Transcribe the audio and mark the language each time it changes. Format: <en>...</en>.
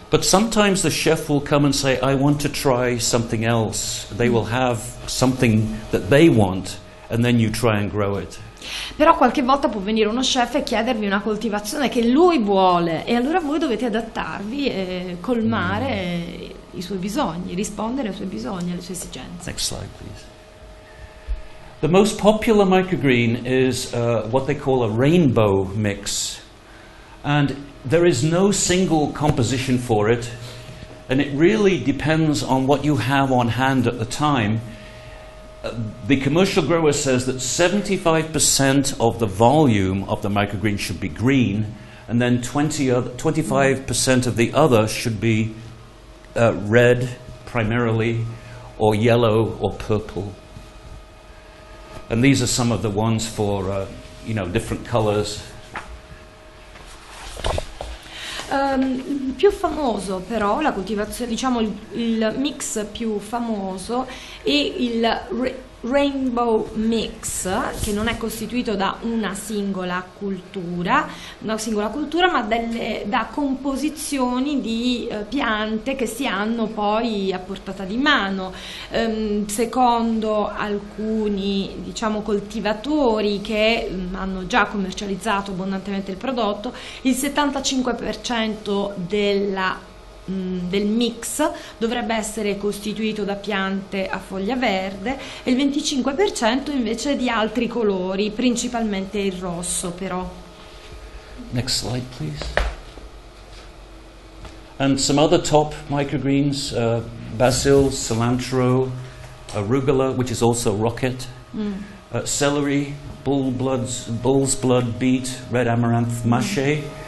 <en>But sometimes the chef will come and say, I want to try something else. They will have something that they want, and then you try and grow it.</en> <it>Però qualche volta può venire uno chef e chiedervi una coltivazione che lui vuole, e allora voi dovete adattarvi e colmare i suoi bisogni, rispondere ai suoi bisogni, alle sue esigenze.</it> <en>Next slide, please. The most popular microgreen is what they call a rainbow mix, and there is no single composition for it, and it really depends on what you have on hand at the time. The commercial grower says that 75% of the volume of the microgreen should be green, and then 25% of the other should be red primarily, or yellow or purple. And these are some of the ones for different colors.</en> <it>Più famoso però la coltivazione, diciamo il mix più famoso è il Rainbow Mix, che non è costituito da una singola cultura, ma da composizioni di piante che si hanno poi a portata di mano. Secondo alcuni, diciamo, coltivatori che hanno già commercializzato abbondantemente il prodotto, il 75% del mix dovrebbe essere costituito da piante a foglia verde e il 25% invece di altri colori, principalmente il rosso però.</it> <en>Next slide, please. And some other top microgreens: basil, cilantro, arugula, which is also rocket, celery, bull's blood beet, red amaranth, mache.</en>